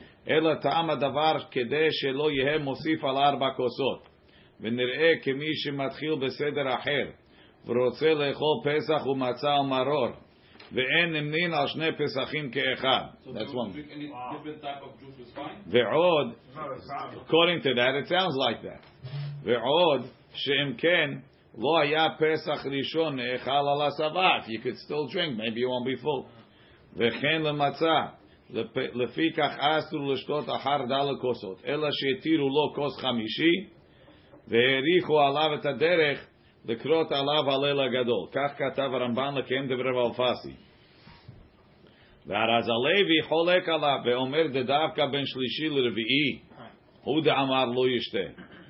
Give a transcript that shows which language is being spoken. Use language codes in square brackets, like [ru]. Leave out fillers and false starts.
[he] אלא טעם הדבר כדי שלא יהיה מוסיף על ארבע כוסות, ונראה כמי שמתחיל בסדר אחר, ורוצה לאכול פסח ומצה ומרור, ואין נמנין על שני פסחים כאחד. [en] That's one. ועוד, according to that, it sounds like that. [he] ועוד, שאם כן, לא היה פסח ראשון נאכל על הסבת. [en] You could still drink, maybe you won't be full. [he] וכן למצה, לפי כך אסרו לשתות אחר דל הכוסות, אלא שיתירו לו כוס חמישי, והאריכו עליו את הדרך לקרות עליו הלל הגדול. כך כתב הרמב"ן לקיים דברי אלפסי. והרז הלוי חולק עליו ואומר דווקא בין שלישי לרביעי, הוא דאמר לא ישתה.